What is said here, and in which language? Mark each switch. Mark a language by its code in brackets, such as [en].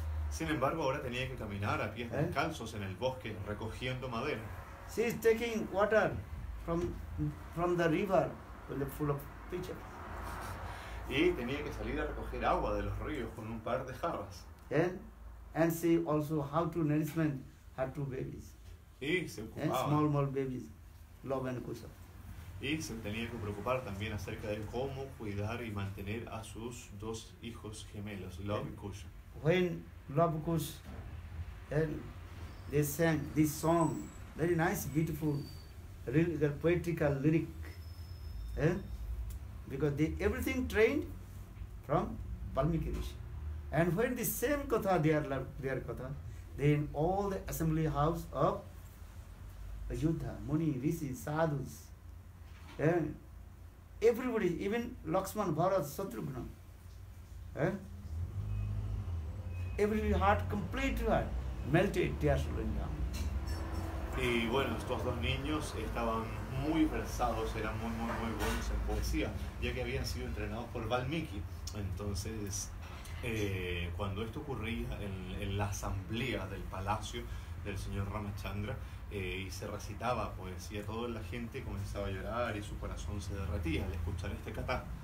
[es] Sin embargo, ahora tenía que caminar a pies descalzos en el bosque recogiendo madera. [en] She is taking water from the river with a full of pitcher. [es] Y tenía que salir a recoger agua de los ríos con un par de jarras. [en] And she also how to nourishment her two babies. [es] Y se ocupaba. [en] Small babies, Love and Kusha. [es] Y se tenía que preocupar también acerca de cómo cuidar y mantener a sus dos hijos gemelos, Love y Kusha. [en] When Love Kusha, they sang this song, very nice, beautiful, really poetical lyric. Because everything trained from Valmiki Rishi. And when the same katha, their katha, then all the assembly house of Ayodhya, Muni, Rishi, Sadhus, everybody, even Lakshman, Bharat, Shatrughna, everybody heart completely melted tears rolling down. [es] Y bueno, estos dos niños estaban muy versados, eran muy muy muy buenos en poesía, ya que habían sido entrenados por Valmiki. Entonces, cuando esto ocurría en la asamblea del palacio del señor Ramachandra, y se recitaba poesía, toda la gente comenzaba a llorar y su corazón se derretía al escuchar este katha.